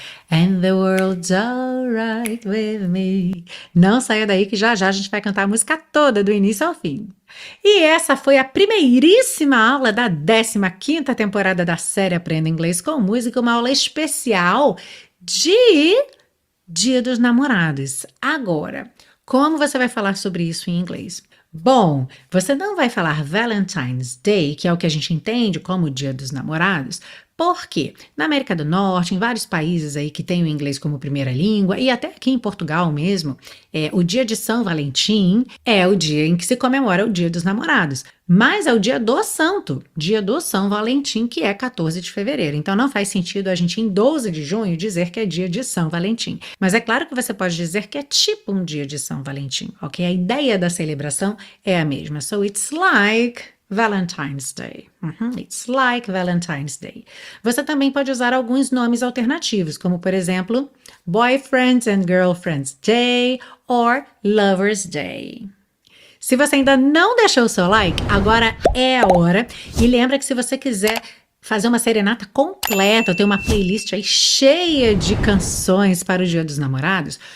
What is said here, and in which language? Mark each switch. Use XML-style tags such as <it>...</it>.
<en>And the world's alright with me.</en> <pt>Não saia daí que já já a gente vai cantar a música toda, do início ao fim. E essa foi a primeiríssima aula da 15ª temporada da série Aprenda Inglês com Música, uma aula especial de Dia dos Namorados. Agora, como você vai falar sobre isso em inglês? Bom, você não vai falar Valentine's Day, que é o que a gente entende como Dia dos Namorados. Porque na América do Norte, em vários países aí que têm o inglês como primeira língua, e até aqui em Portugal mesmo, o dia de São Valentim é o dia em que se comemora o Dia dos Namorados. Mas é o dia do São Valentim, que é 14 de fevereiro. Então não faz sentido a gente, em 12 de junho, dizer que é dia de São Valentim. Mas é claro que você pode dizer que é tipo um dia de São Valentim, ok? A ideia da celebração é a mesma.</pt> <en>So it's like Valentine's Day. It's like Valentine's Day.</en> <pt>Você também pode usar alguns nomes alternativos, como por exemplo,</pt> <en>Boyfriends and Girlfriends Day or Lovers Day.</en> <pt>Se você ainda não deixou o seu like, agora é a hora. E lembra que se você quiser fazer uma serenata completa, tem uma playlist aí cheia de canções para o Dia dos Namorados.</pt>